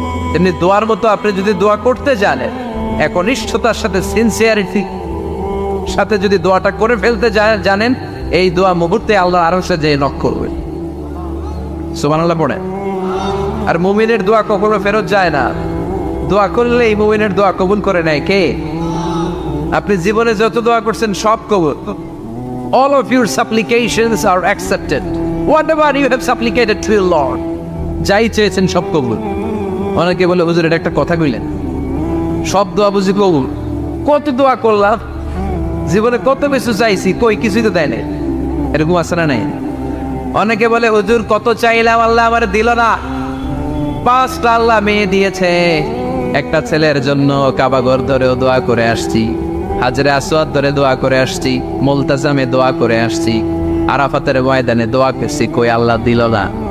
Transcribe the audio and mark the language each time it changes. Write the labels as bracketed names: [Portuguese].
[Bangla] তেমনি দোয়ার মতো আপনি যদি দোয়া করতে জানেন, একনিষ্ঠতার সাথে সিনসিয়ারিটি সাথে যদি দোয়াটা করে ফেলতে জানেন, এই দোয়া মুহূর্তে আল্লাহ আরশে যেয়ে নক করবে। সুবহানাল্লাহ। পড়ে আর মুমিনের দোয়া কখনো ফেরত যায় না। দোয়া করলেই মুমিনের দোয়া কবুল করে নেয় কে? আপনি জীবনে যত দোয়া করছেন সব কবুল। [English] All of your supplications are accepted. Whatever you have supplicated to the Lord. [Bangla] যাই চেয়েছেন সব কবুল। অনেকে বলে হুজুর এটা একটা কথা কইলেন, সব দোয়া বুঝি কবুল? কত দোয়া করলাম জীবনে, কত কিছু চাইছি, কই কিছুই তো দেয় নাই, এরকম আসে না নাই। অনেকে বলে হুজুর কত চাইলাম আল্লাহ আমার দিল না, পাঁচটা আল্লাহ মেয়ে দিয়েছে, একটা ছেলের জন্য কাবা ঘর ধরেও দোয়া করে আসছি, হাজরে আসওয়াদ ধরে দোয়া করে আসছি, মুলতাজামে দোয়া করে আসছি, আরাফাতের ময়দানে দোয়া করছি, কই আল্লাহ দিল না।